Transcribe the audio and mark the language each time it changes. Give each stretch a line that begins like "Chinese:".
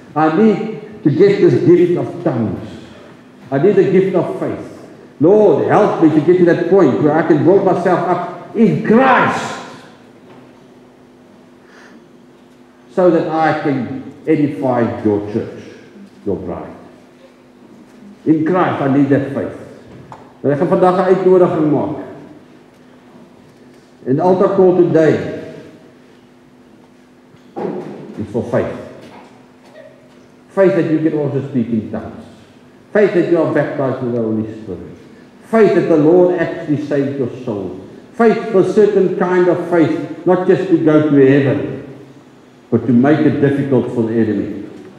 English: I need to get this gift of tongues. I need the gift of faith. Lord, help me to get to that point where I can build myself up in Christ so that I can edify your church, your bride. In Christ, I need that faith.
Afrikaans: En ek gaan vandag 'n uitnodiging maak.
English: In the altar call today is for faith. Faith that you can also speak in tongues. Faith that you are baptized with the Holy Spirit. Faith that the Lord actually saved your soul. Faith for a certain kind of faith, not just to go to heaven, but to make it difficult for the enemy.